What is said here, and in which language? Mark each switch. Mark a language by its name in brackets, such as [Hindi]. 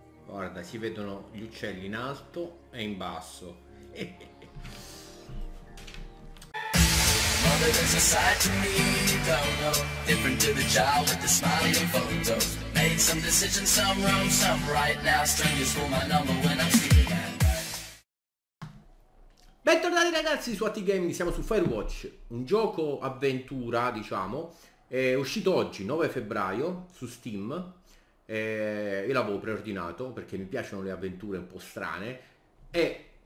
[Italian] guarda, si vedono gli uccelli in alto e in basso. [English] Mother is a sight to me, you don't know. Different to the child with the smiling photos. Made some decisions, some wrong, some right. Now strangers call my number when I'm sleeping. [Italian] Bentornati ragazzi su Atti Gaming, siamo su Firewatch, un gioco avventura, diciamo, è uscito oggi, 9 febbraio, su Steam, e io l'avevo preordinato perché mi piacciono le avventure un po' strane, e